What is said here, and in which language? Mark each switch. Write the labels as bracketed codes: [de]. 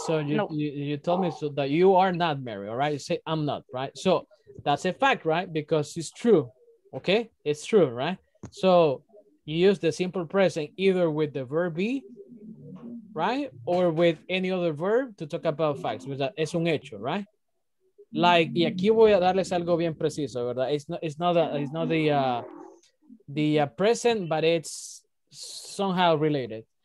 [en] So you told me so that you are not married, all right? You say I'm not, right? So that's a fact, right? Because it's true. Okay? It's true, right? So you use the simple present either with the verb be, right? Or with any other verb to talk about facts. [es] Es un hecho, right? Like, y aquí voy a darles algo bien preciso, ¿verdad? [en] It's not the present, but it's somehow related.